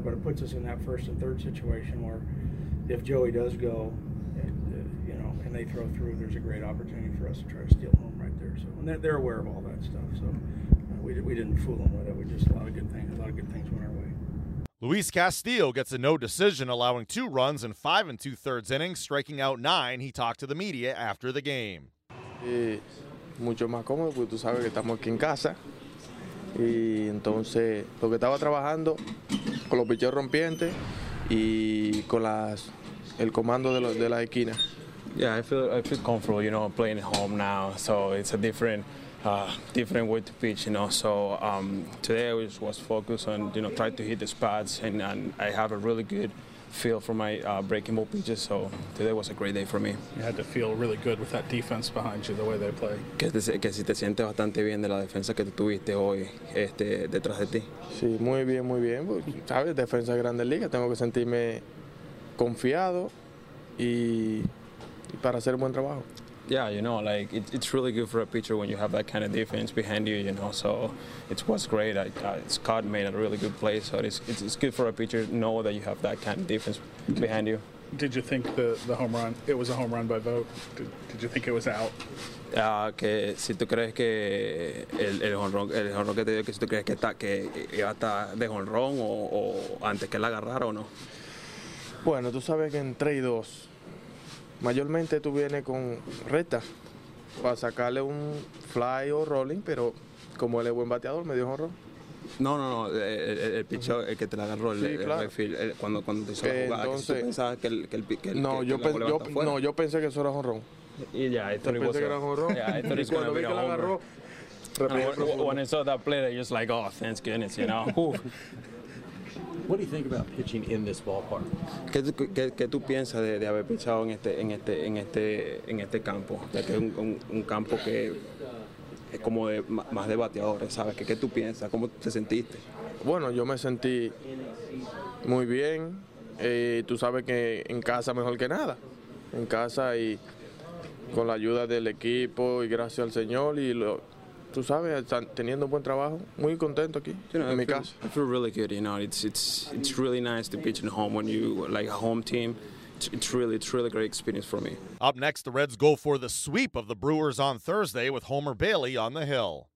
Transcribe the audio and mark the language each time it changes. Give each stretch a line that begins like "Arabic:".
English: But it puts us in that first and third situation where if Joey does go, you know, and they throw through, there's a great opportunity for us to try to steal home right there. So, and they're aware of all that stuff, so. We didn't fool them with it. We just a lot of good things went our way. Luis Castillo gets a no decision, allowing 2 runs in 5 2/3 innings, striking out 9. He talked to the media after the game.
Spanish: Mucho más cómodo, porque tú sabes que estamos aquí en casa, y entonces lo que estaba trabajando con los picheos rompientes y con el comando de la esquina.
English: Yeah, I feel comfortable, you know, playing at home now, so it's a different way to pitch, you know. So today I was focused on, you know, trying to hit the spots, and I have a really good feel for my breaking ball pitches. So today was a great day for me. You had to feel really good with that defense behind you, the way they play.
Spanish: Que si te sientes bastante bien de la defensa que tuviste hoy detrás de ti. Sí, muy bien. Sabes, defensa de Grandes Ligas, tengo que sentirme confiado y para hacer un buen trabajo.
English: Yeah, you know, like it's really good for a pitcher when you have that kind of defense behind you, you know. So it was great. Scott made a really good play, so it's good for a pitcher to know that you have that kind of defense behind you. Did you think the home run? It was a home run by Vogt. Did you think it was out?
Spanish: Que si tú crees que el home run que te dio, que si tú crees que iba a estar de home run o antes que la agarrara o no. Bueno, tú sabes que en 3-2. Mayormente tú vienes con recta para sacarle un fly o rolling, pero como él es buen bateador, me dio un honrón. No, el pichó, uh-huh. El que te la agarró, sí, claro. El cuando te hizo la jugada, entonces, que tú pensabas que el no, que yo pensé, yo, no, yo pensé que eso era honrón.
English: When I saw that play, I was just like, oh, thanks goodness, you know. What do you think about pitching in this ballpark?
Spanish: ¿Qué tú piensas de haber pitchado en este campo? Ya que es un campo que es como de más de bateadores, ¿sabes? ¿Qué tú piensas? ¿Cómo te sentiste? Bueno, yo me sentí muy bien. Tú sabes que en casa mejor que nada. En casa y con la ayuda del equipo y gracias al Señor y lo tú sabes, teniendo un buen trabajo, muy contento aquí,
English: you know,
Spanish: en mi casa.
English: I feel really good, you know. It's really nice to pitch at home when you like a home team. It's really great experience for me. Up next, the Reds go for the sweep of the Brewers on Thursday with Homer Bailey on the hill.